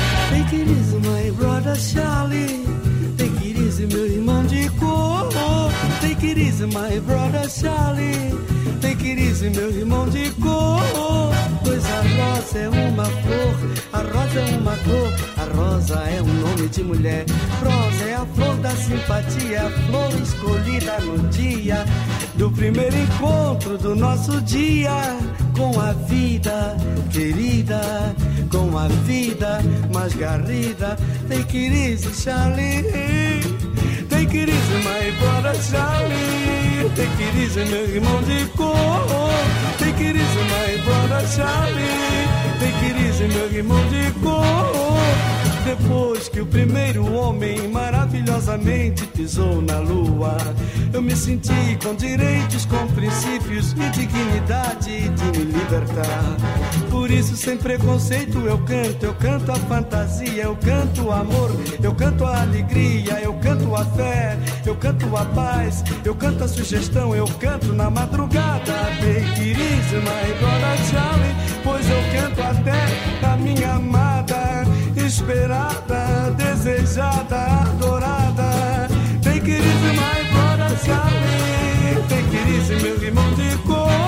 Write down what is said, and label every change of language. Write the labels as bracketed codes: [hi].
[en] Take it easy, my brother Charlie. Take it easy, [pt] meu irmão de cor. [en] Take it easy, my brother Charlie. Take it easy, [pt] meu irmão de cor. Pois a rosa é uma flor, a rosa é uma cor. A rosa é um nome de mulher. Rosa é a flor da simpatia, a flor escolhida no dia do primeiro encontro do nosso dia. Com a vida, querida, com a vida mais garrida. [en] Take it easy, Charlie. Take it easy, my brother Charlie. Take it easy, [pt] meu irmão de cor. [en] Take it easy, my brother Charlie. Take it easy, [pt] meu irmão de cor. Depois que o primeiro homem maravilhosamente pisou na lua, eu me senti com direitos, com princípios e dignidade de me libertar. Por isso, sem preconceito, eu canto a fantasia, eu canto o amor, eu canto a alegria, eu canto a fé, eu canto a paz, eu canto a sugestão, eu canto na madrugada. [en] Take it easy, my brother Charlie, [pt] pois eu canto até a minha amada, esperada, desejada, adorada. [en] Take it easy, my brother Charlie. Take it easy, [pt] meu irmão de cor.